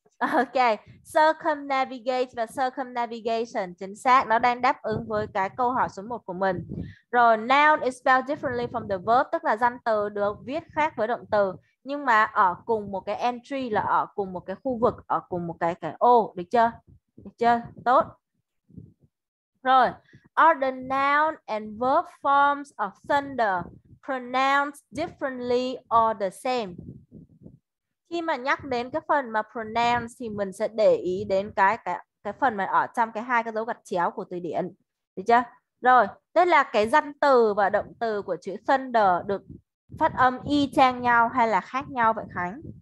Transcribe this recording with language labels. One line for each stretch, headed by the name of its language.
Vietnamese: Ok, circumnavigate và circumnavigation, chính xác, nó đang đáp ứng với cái câu hỏi số 1 của mình. Rồi,
English: noun is spelled differently from the verb,
Vietnamese: tức là danh từ được viết khác với động từ, nhưng mà ở cùng một cái entry, là ở cùng một cái khu vực, ở cùng một cái ô, được chưa? Được chưa? Tốt. Rồi,
English: are the noun and verb forms of thunder pronounced differently or the same?
Vietnamese: Khi mà nhắc đến cái phần mà pronounce thì mình sẽ để ý đến cái phần mà ở trong cái hai cái dấu gạch chéo của từ điển. Được chưa? Rồi, tức là cái danh từ và động từ của chữ thunder được phát âm y chang nhau hay là khác nhau vậy Khánh?